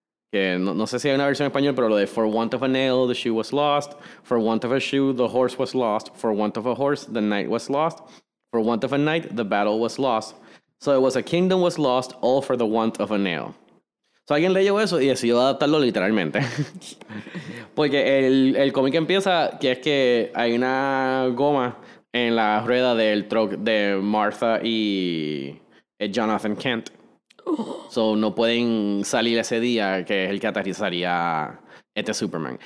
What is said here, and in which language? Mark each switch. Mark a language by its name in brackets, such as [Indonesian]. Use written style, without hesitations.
[Spanish] Que no sé si hay una versión en español, pero lo de [English] "For want of a nail, the shoe was lost. For want of a shoe, the horse was lost. For want of a horse, the knight was lost. For want of a knight, the battle was lost. So it was a kingdom was lost, all for the want of a nail." [Spanish] So alguien leyó eso y decidió adaptarlo literalmente. Porque el cómic empieza que es que hay una goma en la rueda del truck de Martha y Jonathan Kent. So no pueden salir ese día, que es el que aterrizaría este Superman.